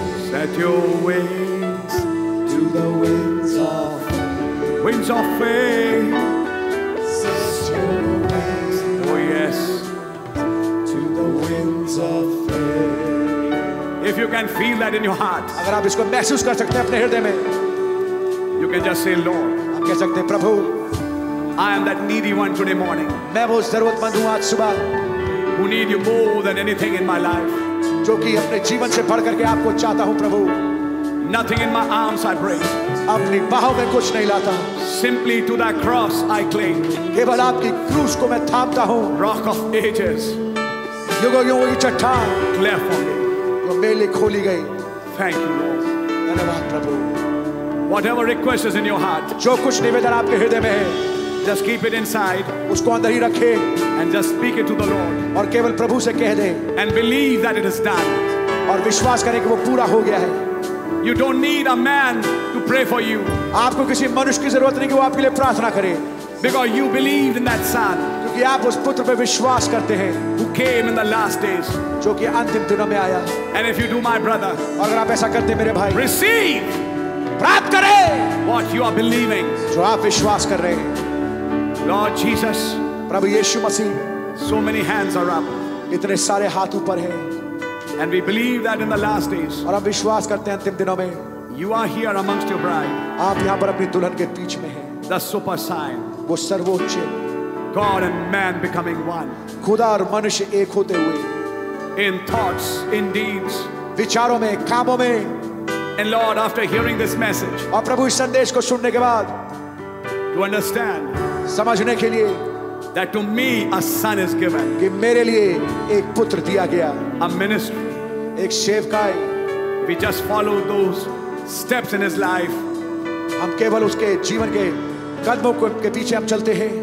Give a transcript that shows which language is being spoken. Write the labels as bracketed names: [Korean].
[English] Set your wings to the winds of faith. Winds of faith. Set your wings. Oh yes. To the winds of faith. If you can feel that in your heart, [Hindi] अगर आप इसको महसूस कर सकते हैं अपने हृदय में, [English] you can just say, Lord. [Hindi] आप कह सकते हैं प्रभु. [English] I am that needy one today morning. [Hindi] मैं वो जरूरतमंद हूँ आज सुबह. [English] Who need you more than anything in my life? [Hindi] जो कि अपने जीवन से पढ़ करके आपको चाहता हूँ प्रभु. [English] Nothing in my arms I bring. [Hindi] अपनी बाहों में कुछ नहीं लाता. [English] Simply to that cross I cling. [Hindi] केवल आपकी क्रूस को मैं थामता हूँ. [English] Rock of ages. [Hindi] युगों युगों की चट्टान. [English] Cleft for me. [Hindi] जो मेले खोली गई. [English] Thank you, Lord. [Hindi] धन्यवाद प्रभु. [English] Whatever request is in your heart. [Hindi] जो कुछ निवेदन आपके हृदय में है. [English] Just keep it inside. [Hindi] उसको अंदर ही रखे. [English] And just speak it to the Lord. [Hindi] और केवल प्रभु से कह दे. [English] And believe that it is done. [Hindi] और विश्वास करें कि वो पूरा हो गया है. [English] You don't need a man to pray for you. [Hindi] आपको किसी मनुष्य की जरूरत नहीं कि वो आपके लिए प्रार्थना करे. [English] Because you believe in that son. [Hindi] क्योंकि आप उस पुत्र पे विश्वास करते हैं. [English] Who came in the last days. [Hindi] जो कि अंतिम दिनों में आया. [English] And if you do, my brother. [Hindi] और अगर आप ऐसा करते मेरे भाई. [English] Receive. [Hindi] प्राप्त करे. [English] What you are believing. [Hindi] जो आप विश्वास कर रहे हैं. [English] Lord Jesus, [Hindi] Prabhu Yeshu Masih, [English] so many hands are up, [Hindi] इतने सारे हाथ ऊपर हैं, [English] and we believe that in the last days, [Hindi] और हम विश्वास करते हैं अंतिम दिनों में, [English] you are here amongst your bride, [Hindi] आप यहाँ पर अपनी दुल्हन के बीच में हैं, [English] the super sign, [Hindi] वो सर्वोच्च, [English] God and man becoming one, [Hindi] खुदा और मनुष्य एक होते हुए, [English] in thoughts, in deeds, [Hindi] विचारों में, कामों में, [English] and Lord, after hearing this message, [Hindi] और प्रभु इस संदेश को सुनने के बाद, [English] to understand. [Hindi] समझने के लिए [English] that to me a son is given. [Hindi] कि मेरे लिए एक पुत्र दिया गया. [English] A ministry. [Hindi] एक सेवकाय. [English] We just follow those steps in his life. [Hindi] हम केवल उसके जीवन के कदमों के पीछे हम चलते हैं.